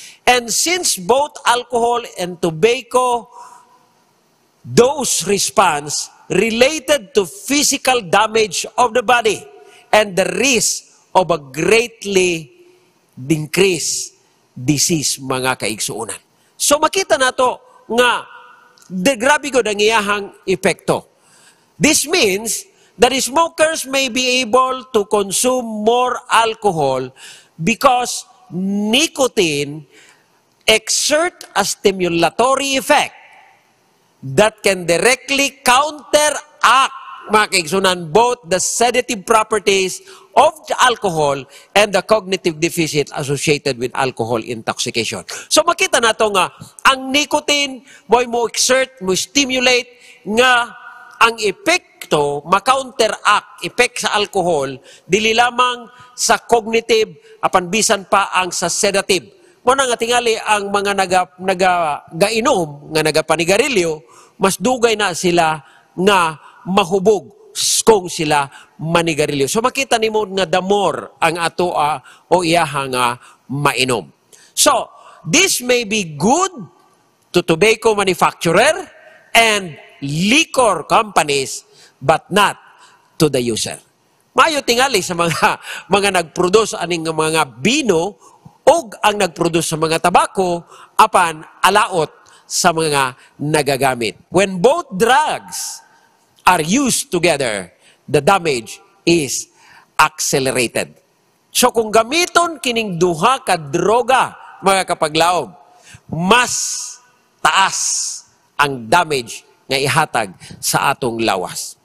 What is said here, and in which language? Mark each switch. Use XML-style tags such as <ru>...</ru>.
<en>And since both alcohol and tobacco dose response related to physical damage of the body and the risk of a greatly increased disease mga kaigsuonan.</en> <ceb>So makita nato nga the grabe gud ang iyahang epekto.</ceb> <en>This means that smokers may be able to consume more alcohol because nicotine exert a stimulatory effect that can directly counteract, mga kaigsunan, both the sedative properties of alcohol and the cognitive deficit associated with alcohol intoxication.</en> <ceb>So makita nato nga ang nicotine boy mo exert, mo stimulate nga ang epekto, ma-counteract epekto sa alcohol dili lamang sa cognitive apan bisan pa ang sa sedative. Mo na nga tingali ang mga nagainom nga nagapanigarilyo, mas dugay na sila nga mahubog kung sila manigarilyo. So makita nimo nga</ceb> <en>the more</en> <ceb>ang ato o iyaha nga mainom.</ceb> <en>So this may be good to tobacco manufacturer and liquor companies but not to the user.</en> <ceb>Mayo tingali sa mga nagproduce aning mga bino ug ang nagproduce sa mga tabako apan alaot sa mga nagagamit.</ceb> <en>When both drugs are used together, the damage is accelerated.</en> <ceb>So kung gamiton kining duha ka droga, mga kapaglaom, mas taas ang damage nga ihatag sa atong lawas.</ceb>